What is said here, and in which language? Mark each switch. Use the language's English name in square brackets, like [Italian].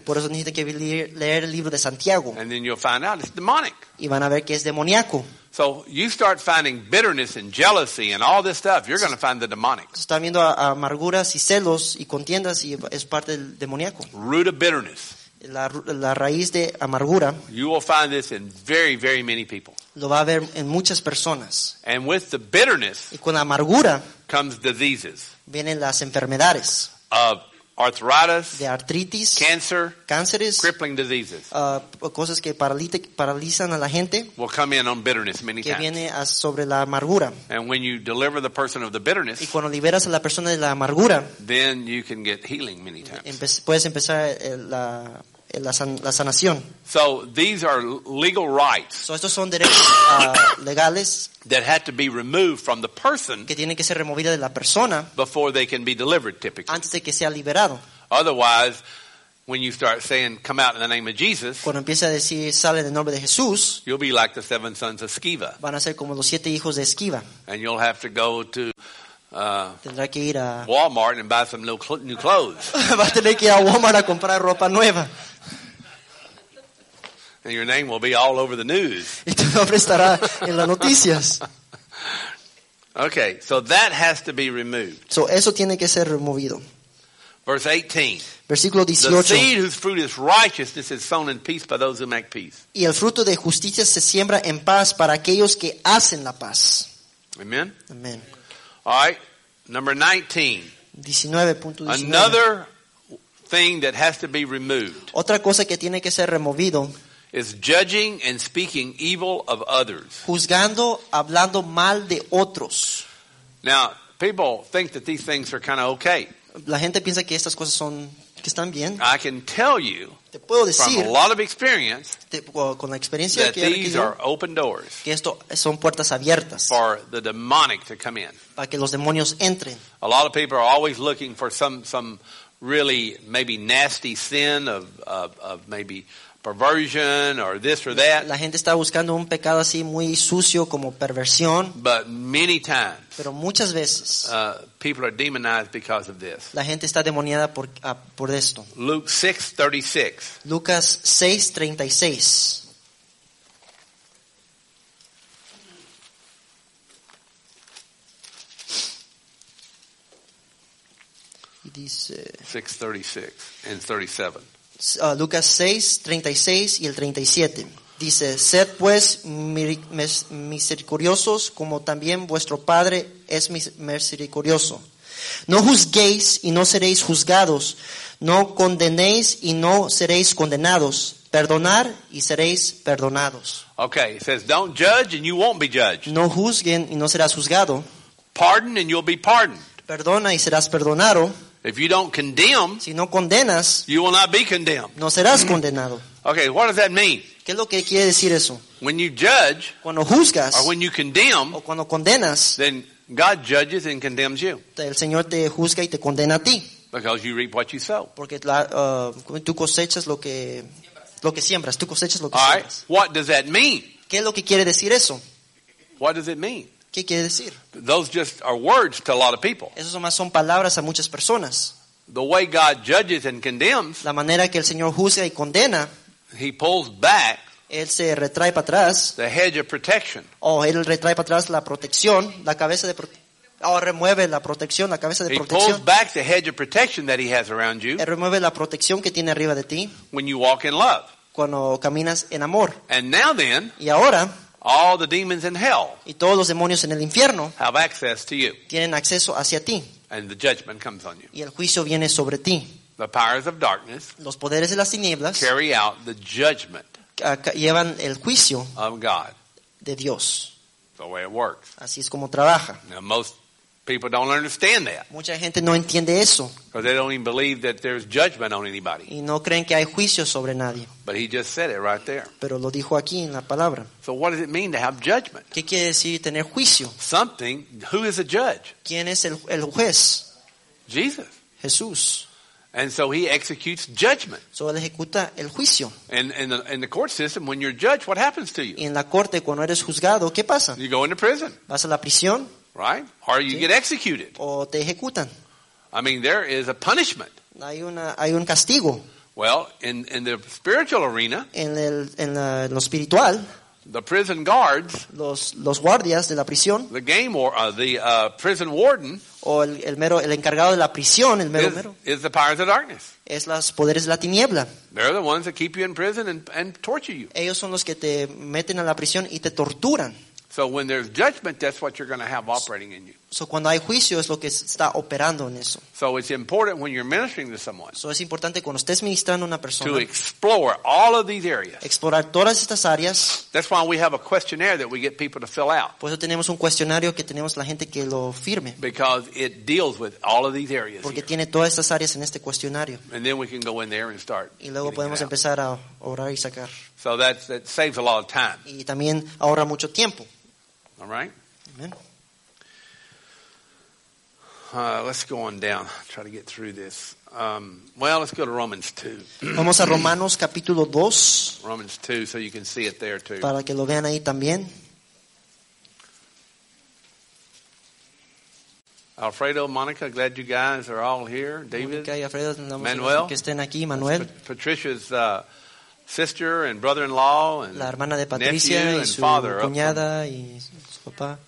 [Spanish] Por eso necesitas que leer el libro de Santiago. [English] And then you'll find out it's demonic. [Spanish] Y van a ver que es demoníaco. [English] So you start finding bitterness and jealousy and all this stuff, you're going to find the demonic. [Spanish] Están viendo amarguras y celos y contiendas y es parte del demoníaco. [English] Root of bitterness. [Spanish] La raíz de amargura. [English] You will find this in very, very many people. [Spanish] Lo va a ver en muchas personas. [English] And with the bitterness. [Spanish] Y con la amargura. [English] Comes diseases. [Spanish] Vienen las enfermedades. [English] Of arthritis. [Spanish] De artritis. [English] Cancer. [Spanish] Cánceres. [English] Crippling diseases. [Spanish] Cosas que paralizan a la gente. [English] Will come in on bitterness many [Spanish] que [English] times. [Spanish] Que viene sobre la amargura. [English] And when you deliver the person of the bitterness. [Spanish] Y cuando liberas a la persona de la amargura. [English] Then you can get healing many times. [Spanish] Puedes empezar la sanación. [English] So these are legal rights. [Spanish] So estos son derechos legales. [English] That had to be removed from the person. [Spanish] Que tiene que ser removida de la persona. [English] Before they can be delivered, typically. [Spanish] Antes de que sea liberado. [English] Otherwise, when you start saying, "Come out in the name of Jesus." [Spanish] Cuando empieza a decir, "Sale en el nombre de Jesús." [English] You'll be like the seven sons of Sceva. [Spanish] Van a ser como los siete hijos de Sceva. [English] And you'll have to go to. [Spanish] Tendrá que ir a [English] Walmart and buy some new clothes. [Spanish] Va a tener que ir a Walmart a comprar ropa nueva. [English] And your name will be all over the news. [Spanish] Y tu nombre estará en las noticias. [English] Okay, so that has to be removed. [Spanish] So eso tiene que ser removido. [English] Verse 18. [Spanish] Versículo 18. [English] The seed whose fruit is righteousness is sown in peace by those who make peace. [Spanish] Y el fruto de justicia se siembra en paz para aquellos que hacen la paz. [English] Amen. [Spanish] Amen. [English] All right, number 19. [Spanish] 19.19. [English] Another thing that has to be removed. [Spanish] Otra cosa que tiene que ser removido. [English] Is judging and speaking evil of others. [Spanish] Juzgando, hablando mal de otros. [English] Now, people think that these things are kind of okay. [Spanish] La gente piensa que estas cosas son que están bien. [English] I can tell you. [Spanish] Te puedo decir. [English] From a lot of experience. [Spanish] Con la experiencia que he tenido. [English] Are open doors. [Spanish] Que esto son puertas abiertas. [English] For the demonic to come in. [Spanish] Para que los demonios entren. [English] A lot of people are always looking for some really maybe nasty sin of maybe. Perversion or this or that. [Spanish] La gente está buscando un pecado así muy sucio como perversión. [English] But many times. [Spanish] Pero muchas veces. [English] People are demonized because of this. [Spanish] La gente está demoniada por esto. [English] Luke 6:36. [Spanish] Lucas 6:36. Dice. [English] 6:36 and 37. [Spanish] Lucas 6:36 y el 37 dice: sed pues misericordiosos como también vuestro Padre es misericordioso. No juzguéis y no seréis juzgados, no condenéis y no seréis condenados, perdonar y seréis perdonados. [English] Okay, it says don't judge and you won't be judged. [Spanish] No juzguen y no serás juzgado. [English] Pardon and you'll be pardoned. [Spanish] Perdona y serás perdonado. [English] If you don't condemn, [Spanish] si no condenas, [English] you will not be condemned. [Spanish] No serás condenado. [English] Okay, what does that mean? [Spanish] ¿Qué es lo que quiere decir eso? [English] When you judge, [Spanish] cuando juzgas, [English] or when you condemn, [Spanish] o cuando condenas, [English] then God judges and condemns you. [Spanish] El Señor te juzga y te condena a ti. [English] Because you reap what you sow. [Spanish] Porque la, tú cosechas lo que siembras. Tú cosechas lo que siembras. [English] All right. What does that mean? [Spanish] ¿Qué es lo que quiere decir eso? [English] What does it mean? [Spanish] ¿Qué quiere decir? [English] Those just are words to a lot of people. [Spanish] Esos más son palabras a muchas personas. [English] The way God judges and condemns. [Spanish] La manera que el Señor juzga y condena. [English] He pulls back. [Spanish] Él se retrae para atrás. [English] The hedge of protection. [Spanish] Oh, él retrae para atrás la protección, la cabeza de protección. Ahora remueve la protección, la cabeza de protección. [English] He pulls back the hedge of protection that he has around you. [Spanish] Remueve la protección que tiene arriba de ti. [English] When you walk in love. [Spanish] Cuando caminas en amor. [English] And now then. [Spanish] Y ahora. [English] All the demons in hell. [Spanish] Y todos los demonios en el infierno. [English] Have access to you. [Spanish] Tienen acceso hacia ti. [English] And the judgment comes on you. [Spanish] Y el juicio viene sobre ti. [English] The powers of darkness. [Spanish] Los poderes de las tinieblas. [English] Carry out the judgment. [Spanish] Llevan el juicio. [English] Of God. [Spanish] De Dios. [English] The way it works. [Spanish] Así es como trabaja. [English] Now most people don't understand that. [Spanish] Mucha gente no entiende eso. [English] Because they don't even believe that there's judgment on anybody. [Spanish] Y no creen que hay juicio sobre nadie. [English] But he just said it right there. [Spanish] Pero lo dijo aquí en la palabra. [English] So what does it mean to have judgment? [Spanish] ¿Qué quiere decir tener juicio? [English] Something. Who is a judge? [Spanish] ¿Quién es el juez? [English] Jesus. [Spanish] Jesús. [English] And so he executes judgment. [Spanish] So él ejecuta el juicio. [English] And in the court system, when you're judged, what happens to you? [Spanish] Y en la corte, cuando eres juzgado, ¿qué pasa? [English] You go into prison. [Spanish] Vas a la prisión. [English] Right? Or you get executed. [Spanish] O te ejecutan. [English] I mean, there is a punishment. [Spanish] Hay un castigo. [English] Well, in the spiritual arena, [Spanish] en lo espiritual, [English] the prison guards, [Spanish] los guardias de la prisión, [English] the game or the prison warden, [Spanish] o el mero el encargado de la prisión, el mero mero, [English] is the powers of darkness. [Spanish] Es los poderes de la tiniebla. [English] They're the ones that keep you in prison and torture you. [Spanish] Ellos son los que te meten a la prisión y te torturan. [English] So when there's judgment, that's what you're going to have operating in you. [Spanish] So cuando hay juicio es lo que está operando en eso. [English] So it's important when you're ministering to someone. [Spanish] So es importante cuando estés ministrando a una persona. [English] To explore all of these areas. [Spanish] Explorar todas estas áreas. [English] That's why we have a questionnaire that we get people to fill out. [Spanish] Por eso tenemos un cuestionario que tenemos la gente que lo firme. [English] Because it deals with all of these areas. [Spanish] Porque [English] here. [Spanish] Tiene todas estas áreas en este cuestionario. [English] And then we can go in there and start. [Spanish] Y luego podemos empezar a orar y sacar. [English] So that saves a lot of time. [Spanish] Y también ahorra mucho tiempo. [English] All right. [Spanish] Amen. [English] Let's go on down. Try to get through this. Well, let's go to Romans 2. [Spanish] Vamos a Romanos capítulo 2. [English] Romans 2, so you can see it there too. [Spanish] Para que lo vean ahí también. [English] Alfredo, Monica, glad you guys are all here. [Spanish] David, Monica y Alfredo, Manuel, que estén aquí, Manuel. [English] Patricia's sister and brother-in-law and [Spanish] la hermana de Patricia y su cuñada y su papá.